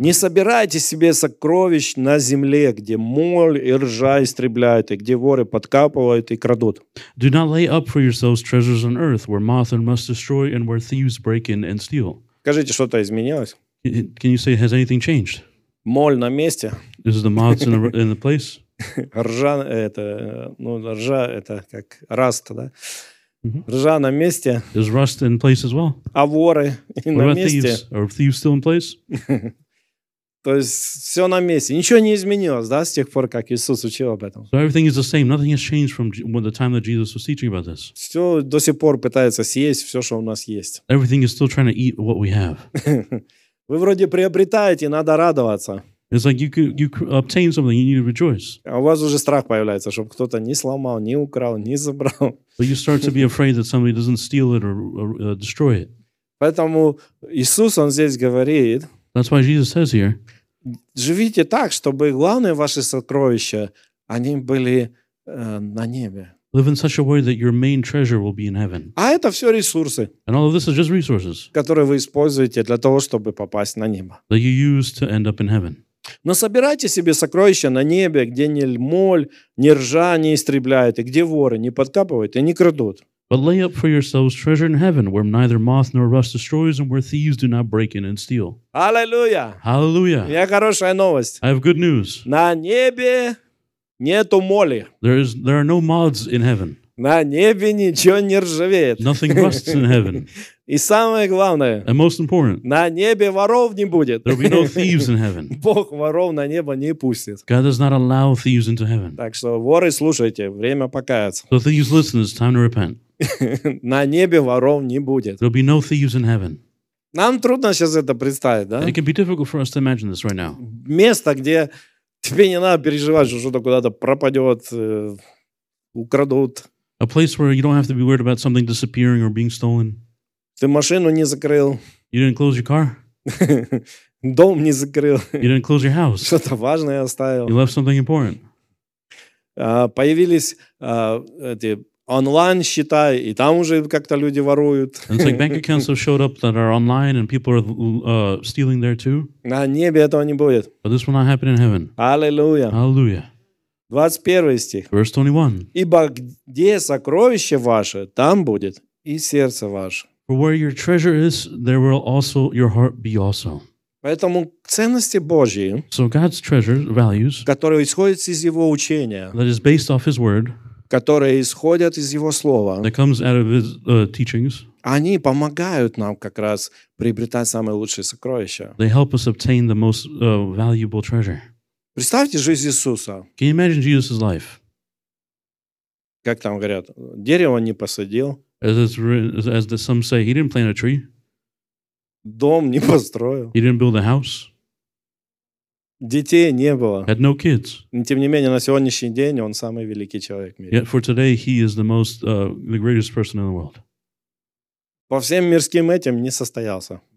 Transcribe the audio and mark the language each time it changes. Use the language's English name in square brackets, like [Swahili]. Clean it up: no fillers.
[Russian] Не собирайте себе сокровищ на земле, где моль и ржа истребляют, и где воры подкапывают и крадут. [English] Do not lay up for yourselves treasures on earth, where moth and rust destroy, and where thieves break in and steal. [Russian] Скажите, что-то изменилось? [English] Can you say, has anything changed? [Russian] Моль на месте? [English] Is the moth in the place? [Russian] Ржа это, ну ржа это как раст, да? Ржа на месте. [English] Is rust in place as well? [Russian] А воры и на месте. [English] Are thieves still in place? [Russian] То есть все на месте. Ничего не изменилось, да, с тех пор, как Иисус учил об этом. [English] So everything is the same. Nothing has changed from the time that Jesus was teaching about this. [Russian] Все до сих пор пытается съесть все, что у нас есть. [English] Everything is still trying to eat what we have. [Russian] Вы вроде приобретаете, надо радоваться. [English] It's like you obtain something, you need to rejoice. [Russian] А у вас уже страх появляется, чтобы кто-то не сломал, не украл, не забрал. [English] But you start to be afraid that somebody doesn't steal it or destroy it. [Russian] Поэтому Иисус, он здесь говорит. [English] That's why Jesus says here. [Russian] Живите так, чтобы главные ваши сокровища, они были на небе. [English] Live in such a way that your main treasure will be in heaven. [Russian] А это все ресурсы. [English] And all of this is just resources. [Russian] Которые вы используете для того, чтобы попасть на небо. [English] That you use to end up in heaven. [Russian] Но собирайте себе сокровища на небе, где ни моль, ни ржа не истребляет, и где воры не подкапывают и не крадут. [English] But lay up for yourselves treasure in heaven, where neither moth nor rust destroys, and where thieves do not break in and steal. [Russian] Аллилуйя! [English] Hallelujah! [Russian] У меня хорошая новость. [English] I have good news. [Russian] На небе нету моли. [English] There are no moths in heaven. [Russian] На небе ничего не ржавеет. [English] Nothing rusts in heaven. [Russian] И самое главное. [English] And most important. [Russian] На небе воров не будет. [English] There will be no thieves in heaven. [Russian] Бог воров на небо не пустит. [English] God does not allow thieves into heaven. [Russian] Так что воры, слушайте, время покаяться. [English] So thieves, listen, it's time to repent. [Russian] На небе воров не будет. [English] There will be no thieves in heaven. [Russian] Нам трудно сейчас это представить, да? [English] It can be difficult for us to imagine this right now. [Russian] Место, где тебе не надо переживать, что что-то куда-то пропадет, украдут. [English] A place where you don't have to be worried about something disappearing or being stolen. [Russian] Ты машину не закрыл. [English] You didn't close your car. [Russian] Дом не закрыл. [English] You didn't close your house. [Russian] Что-то важное оставил. [English] You left something important. [Russian] Появились эти онлайн-счета, и там уже как-то люди воруют. [English] And it's like bank accounts have showed up that are online and people are stealing there too. [Russian] На небе этого не будет. [English] But this will not happen in heaven. [Russian] Аллилуйя. [English] Hallelujah. [Russian] 21 стих. [English] Verse 21. [Russian] Ибо где сокровище ваше, там будет и сердце ваше. [English] For where your treasure is, there will also your heart be also. [Russian] Поэтому ценности Божьи, [English] so God's treasure, values, [Russian] которые исходят из Его учения, [English] that is based off His word, [Russian] которые исходят из Его слова, [English] that comes out of His teachings, [Russian] они помогают нам как раз приобретать самые лучшие сокровища. [English] They help us obtain the most valuable treasure. [Russian] Представьте жизнь Иисуса. [English] Can you imagine Jesus' life? [Russian] Как там говорят, дерево не посадил. [English] As some say, he didn't plant a tree. [Russian] Дом не построил. [English] He didn't build a house. [Russian] Детей не было. [English] Had no kids. [Russian] Но тем не менее, на сегодняшний день он самый великий человек в мире. [English] Yet for today, he is the most, the greatest person in the world. [Russian] По всем мирским этим не состоялся.